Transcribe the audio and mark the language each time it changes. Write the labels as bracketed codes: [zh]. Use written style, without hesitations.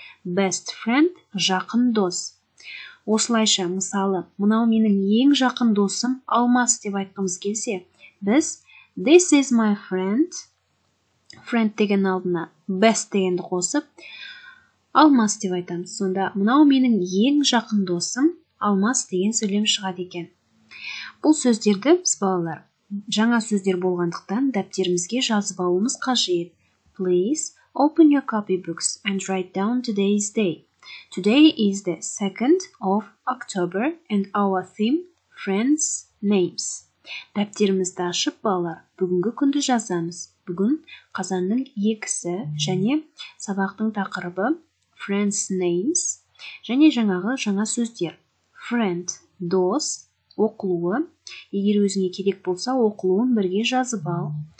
[kk] Best friend жақын дос. Осылайша мысалы, мынау менің ең жақын досым Алмас деп айтқымыз келсе, біз [en] this is my friend friend [kk] деген алдына best дегенді қосып Алмас деп айтамыз. Сонда мынау менің ең жақын досым Алмас деген сөйлем шығады екен. Бұл сөздерді біз балалар жаңа сөздер болғандықтан дәптерімізге жазып алуымыз қажет. [en] Please open your copy books and write down today's day. Today is the 2nd of October and our theme friends names. [kk] Дәптерімізді ашып балалар, бүгінгі күнді жазамыз. Бүгін қазанның 2-сі және сабақтың тақырыбы friends names және жаңағы жаңа сөздер. Friend дос оқылуы, егер өзіңе керек болса, оқылуын бірге жазып ал.